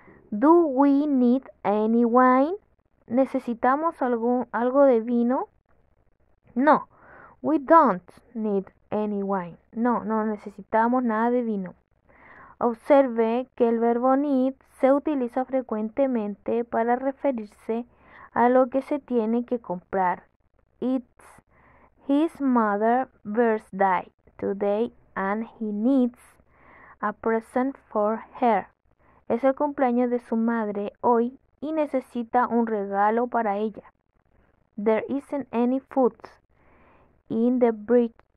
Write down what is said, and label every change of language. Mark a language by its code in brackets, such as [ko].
[en] ¿Do we need any wine? [es] ¿Necesitamos algo de vino? [en] No, we don't need any wine. [es] No, no necesitamos nada de vino. Observe que el verbo need se utiliza frecuentemente para referirse a lo que se tiene que comprar. [en] It's his mother's birthday today and he needs a present for her. [es] Es el cumpleaños de su madre hoy y necesita un regalo para ella. [en] There isn't any food in the brick.